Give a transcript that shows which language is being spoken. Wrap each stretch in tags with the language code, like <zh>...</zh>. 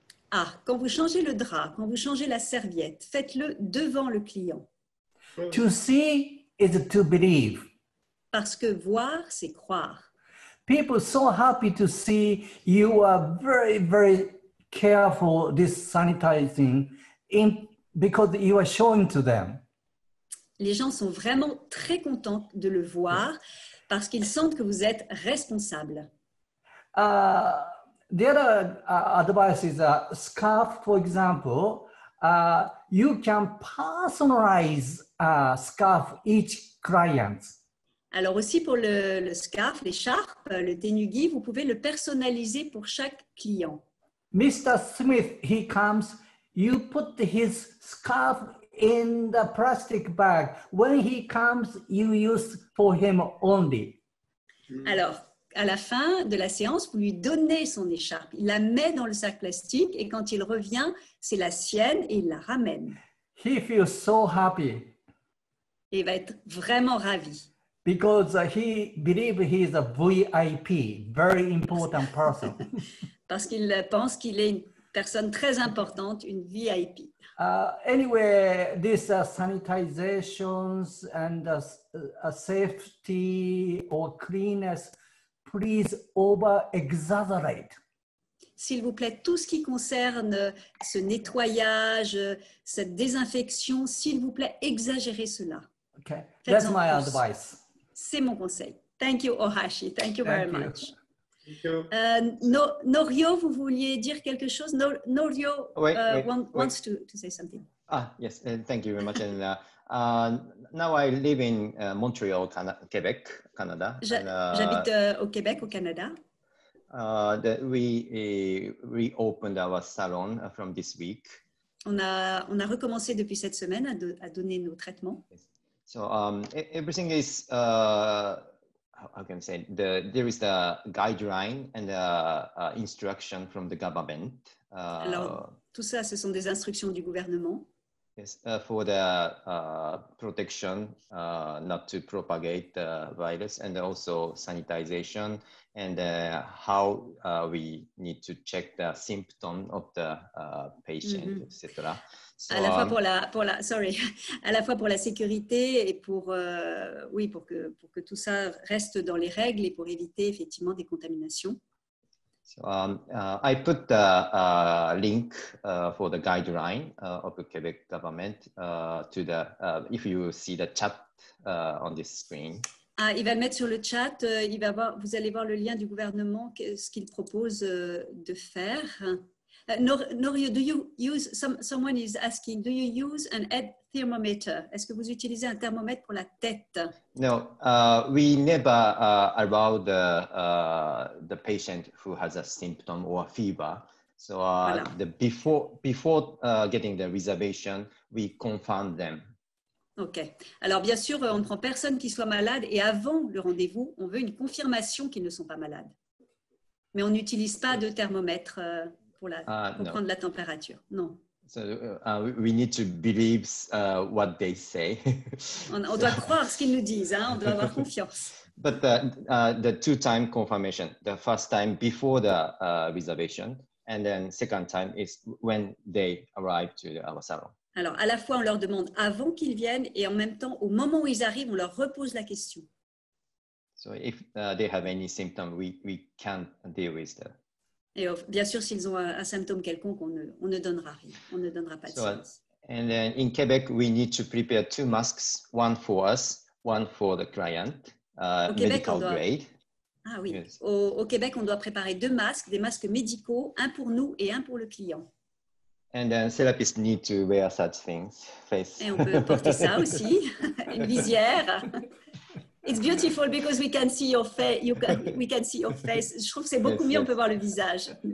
<fr>Ah, quand vous changez le drap, quand vous changez la serviette, faites-le devant le client.</fr> <en>To see is to believe.</en> <fr>Parce que voir, c'est croire.</fr> <en>People are so happy to see you are very, very careful this sanitizing because you are showing to them.</en> <fr>Les gens sont vraiment très contents de le voir parce qu'ils sentent que vous êtes responsable.</fr> <en>The other advice is a scarf, for example. You can personalize a scarf each client.</en> <fr>Alors aussi pour le scarf, l'écharpe, le tenugi, vous pouvez le personnaliser pour chaque client.</fr> <en>Mr. Smith, he comes, you put his scarf in the plastic bag. When he comes, you use for him only.</en> <fr>Alors, à la fin de la séance, vous lui donnez son écharpe. Il la met dans le sac plastique et quand il revient, c'est la sienne et il la ramène.</fr> <en>He feels so happy.</en> <fr>Il va être vraiment ravi.</fr> <en>Because he believes he is a VIP, very important person.</en> <fr>Parce qu'il pense qu'il est une personne très importante, une VIP.</fr> <en>Anyway, this sanitizations and a safety or cleanness please over-exaggerate.</en> <fr>S'il vous plaît, tout ce qui concerne ce nettoyage, cette désinfection, s'il vous plaît, exagérez cela.</fr> <en>Okay. That's my advice.</en> <fr>C'est mon conseil.</fr> <en>Thank you, Ohashi. Thank you very much. Thank you.</en> <fr>Norio, vous vouliez dire quelque chose?</fr> <en>Norio wants to say something. Ah, yes. Thank you very much. And now I live in Montreal, Quebec, Canada.</en> <fr>J'habite au Québec, au Canada.</fr> <en>We reopened our salon from this week.</en> <fr>On a recommencé depuis cette semaine à donner nos traitements.</fr> <en>So everything is, how can I say, there is the guideline and the instruction from the government.</en> <fr>Alors, tout ça, ce sont des instructions du gouvernement.</fr> <en>Yes, for the protection, not to propagate the virus, and also sanitization, and how we need to check the symptom of the patient, mm-hmm. etc. So,</en> <fr>à la fois pour la sécurité et pour que tout ça reste dans les règles et pour éviter effectivement des contaminations.</fr> <en>So I put the link for the guideline of the Quebec government to the if you see the chat on this screen.</en> <fr>Ah, il va le mettre sur le chat. Vous allez voir le lien du gouvernement, ce qu'il propose de faire.</fr> <en>Norio, do you use someone is asking? Do you use an head thermometer?</en> <fr>Est-ce que vous utilisez un thermomètre pour la tête?</fr> <en>No, we never allow the patient who has a symptom or a fever. So before getting the reservation, we confirm them. Ok.</en> <fr>Alors bien sûr, on ne prend personne qui soit malade et avant le rendez-vous, on veut une confirmation qu'ils ne sont pas malades. Mais on n'utilise pas de thermomètre. Pour comprendre la température. Non.</fr> <en>So, we need to believe what they say.</en> <fr>on doit croire ce qu'ils nous disent, hein? On doit avoir confiance.</fr> <en>But the two-time confirmation, the first time before the reservation, and then second time is when they arrive to our salon.</en> <fr>Alors, à la fois, on leur demande avant qu'ils viennent et en même temps, au moment où ils arrivent, on leur repose la question.</fr> <en>So, if they have any symptom, we can't deal with them.</en> <fr>Et bien sûr, s'ils ont un symptôme quelconque, on ne donnera rien. On ne donnera pas de sens.</fr> <en>And then in Quebec, we need to prepare two masks, one for us, one for the client, medical grade.</en> <fr>Ah oui. Yes. Au Québec, on doit préparer deux masques, des masques médicaux, un pour nous et un pour le client.</fr> <en>And then therapists need to wear such things, face.</en> <fr>Et on peut porter ça aussi, une visière.</fr> <en>It's beautiful because we can see your face.</en> <fr>Je trouve que c'est beaucoup mieux, on peut voir le visage.</fr>